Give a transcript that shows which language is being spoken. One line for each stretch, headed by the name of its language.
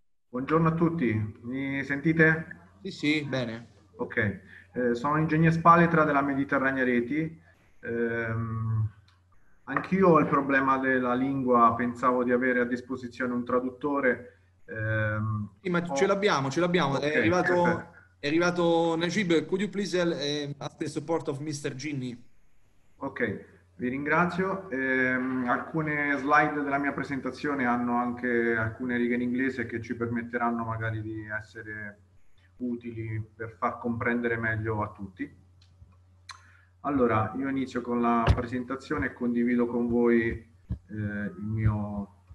Italian: Buongiorno a tutti, mi sentite? Sì, sì, bene. Ok, sono ingegner Spaletra della Mediterranea Reti. Anch'io ho il problema della lingua, pensavo di avere a disposizione un traduttore. Sì, ma ce l'abbiamo. Okay. È arrivato Najib,
English: could you please ask the support of Mr. Ginni?
Italian: Ok, vi ringrazio. Alcune slide della mia presentazione hanno anche alcune righe in inglese che ci permetteranno magari di essere utili per far comprendere meglio a tutti. Allora, io inizio con la presentazione e condivido con voi il mio